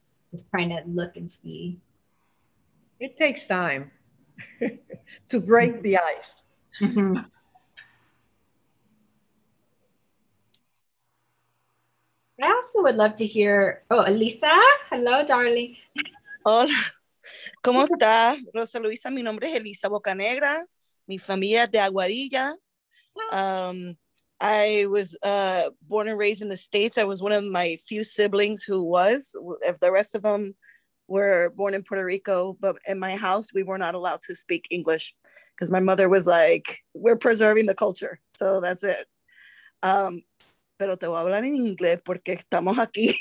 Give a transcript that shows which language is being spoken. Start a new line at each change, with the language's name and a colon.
English: Just trying to look and see. It takes time to break the ice. I also would love to hear, Elisa, hello, darling.
Spanish: Hola, ¿cómo está, Rosa Luisa? Mi nombre es Elisa Bocanegra. Mi familia es de Aguadilla.
English: I was born and raised in the States. I was one of my few siblings who was, if the rest of them were born in Puerto Rico, but in my house, we were not allowed to speak English because my mother was like, we're preserving the culture. So that's it.
Spanish: Pero te voy a hablar en inglés porque estamos aquí.